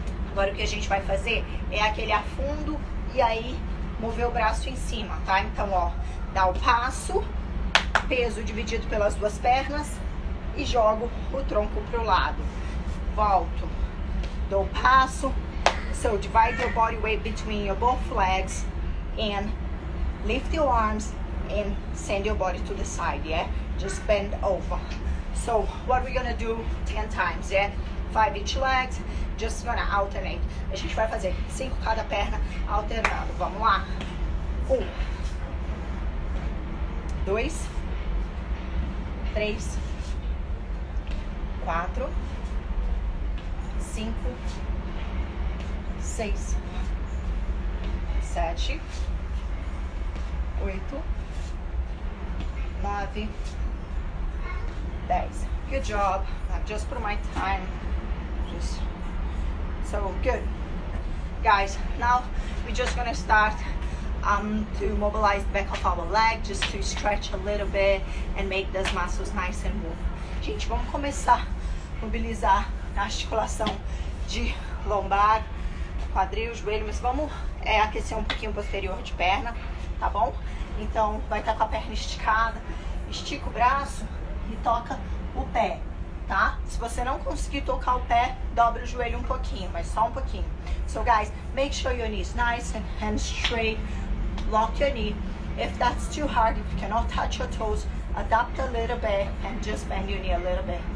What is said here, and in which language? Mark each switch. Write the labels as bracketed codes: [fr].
[pt] Agora o que a gente vai fazer é aquele afundo e aí mover o braço em cima, tá? Então, ó, dá o passo, peso dividido pelas duas pernas e jogo o tronco pro lado. Volto. Dou o passo. [en] So, divide your body weight between your both legs and lift your arms and send your body to the side, yeah? Just bend over. So, what are we gonna do 10 times, yeah? 5 each leg, just gonna alternate. [pt] A gente vai fazer 5 cada perna alternando. Vamos lá. [en] 1, 2, 3, 4, 5, 6, 7, 8, 9, 10. Good job. Not just for my time. Just so good. Guys, now we're just gonna start to mobilize the back of our leg, just to stretch a little bit and make those muscles nice and warm. [pt] Gente, vamos começar a mobilizar a articulação de lombar, quadril, joelho, mas vamos aquecer um pouquinho o posterior de perna, tá bom? Então, vai estar com a perna esticada, estica o braço e toca o pé, tá? Se você não conseguir tocar o pé, dobra o joelho um pouquinho, mas só um pouquinho. [en] So guys, make sure your knee is nice and straight. Lock your knee. If that's too hard, if you cannot touch your toes, adapt a little bit and just bend your knee a little bit.